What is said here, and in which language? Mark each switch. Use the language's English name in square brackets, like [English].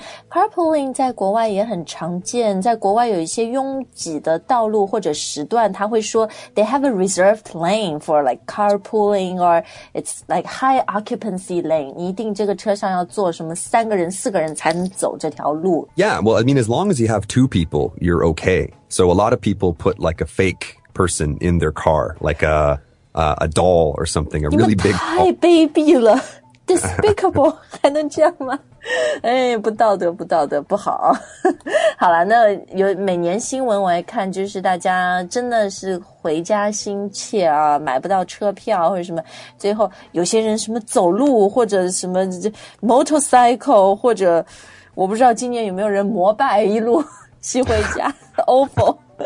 [Chinese] carpooling 在国外也很常见在国外有一些拥挤的道路或者时段他会说 [English] they have a reserved lane for like carpooling or it's like high occupancy lane [Chinese] 你一定这个车上要坐什么三个人四个人才能走这条路 [English] yeah well I mean as long as you have two people you're okay so a lot of people put like a fakeperson in their car like a doll or something a really big doll. [Chinese] 太卑鄙了 despicable 还能这样吗哎不道德不道德不好好了那有每年新闻我来看就是大家真的是回家心切啊买不到车票或者什么最后有些人什么走路或者什么 motorcycle 或者我不知道今年有没有人摩拜一路骑回家OFO